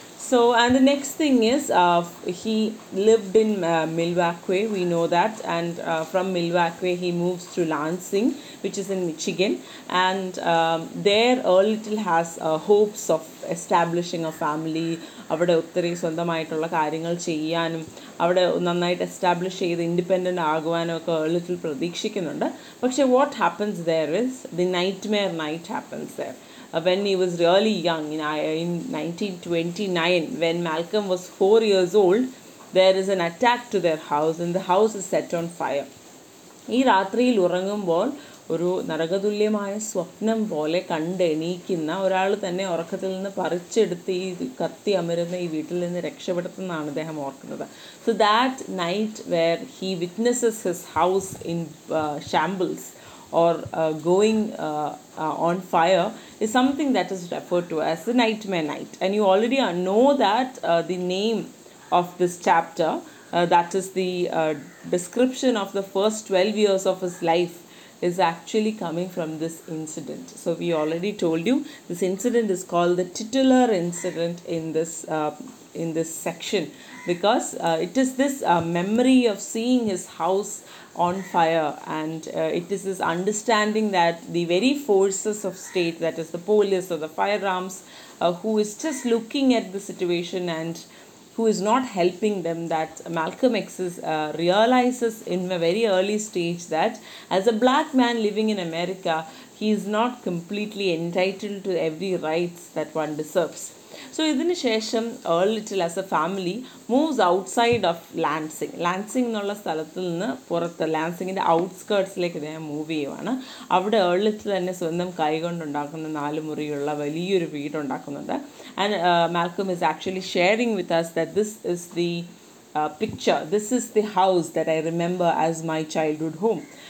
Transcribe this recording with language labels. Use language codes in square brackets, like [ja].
[en] So, and the next thing is, he lived in Milwaukee, we know that. And from Milwaukee, he moves to Lansing, which is in Michigan. And there, Earl Little has hopes of establishing a family. [ml] അവിടെ ഒത്തിരി സ്വന്തമായിട്ടുള്ള കാര്യങ്ങൾ ചെയ്യാനും അവിടെ നന്നായിട്ട് establish ചെയ്ത് independent ആകുവാനും ഒക്കെ Earl little പ്രതീക്ഷിക്കുന്നുണ്ട്. പക്ഷേ [en] What happens there is the nightmare night happens there when he was really young. In 1929 when Malcolm was 4 years old, there is an attack to their house and the house is set on fire. [ml] ഈ രാത്രിയിൽ ഉറങ്ങുമ്പോൾ ഒരു നരകതുല്യമായ സ്വപ്നം പോലെ കണ്ടെണീക്കുന്ന ഒരാൾ തന്നെ ഉറക്കത്തിൽ നിന്ന് പറിച്ചെടുത്ത് ഈ കത്തി അമരുന്ന ഈ വീട്ടിൽ നിന്ന് രക്ഷപ്പെടുത്തുന്നതാണ് അദ്ദേഹം ഓർക്കുന്നത്. [en] So that night where he witnesses his house in shambles or going on fire is something that is referred to as the Nightmare Night. And you already know that the name of this chapter, that is the description of the first 12 years of his life, is actually coming from this incident. So we already told you this incident is called the titular incident in this section, because it is this memory of seeing his house on fire, and it is this understanding that the very forces of state, that is the police or the firearms, who is just looking at the situation and who is not helping them, that Malcolm X realizes in a very early stage that as a black man living in America, he is not completely entitled to every rights that one deserves. So, [ml] ഇതിനു ശേഷം [en] Earl Little as a family moves outside of Lansing. [ml] Lansing എന്നുള്ള സ്ഥലത്തു നിന്ന് പുറത്ത്, ലാൻസിങ്ങിൻ്റെ ഔട്ട്സ്കേർട്സിലേക്ക് ഇദ്ദേഹം move ചെയ്യുവാണ്. അവിടെ Earl Little തന്നെ സ്വന്തം കൈകൊണ്ടുണ്ടാക്കുന്ന നാല് മുറിയുള്ള വലിയൊരു വീടുണ്ടാക്കുന്നുണ്ട്. [en] And Malcolm is actually sharing with us that this is the picture, this is the house that I remember as my childhood home.